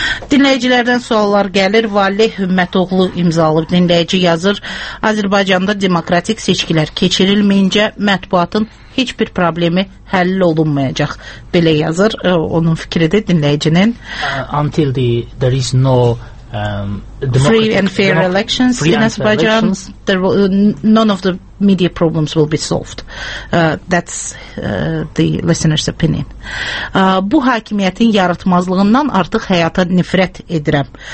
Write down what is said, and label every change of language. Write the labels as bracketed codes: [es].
[az] Dinləyicilərdən suallar gəlir. Valeh Hümmətoğlu imzalı dinləyici yazır. Azərbaycanda demokratik seçkilər keçirilməyincə mətbuatın heç bir problemi həll olunmayacaq. Belə yazır onun fikridir dinləyicinin. [en] Until there is no free and fair elections in Azerbaijan, none of the media problems will be solved. That's the listener's opinion. [az] Bu hakimiyyətin yaratmazlığından artıq həyata nifrət edirəm.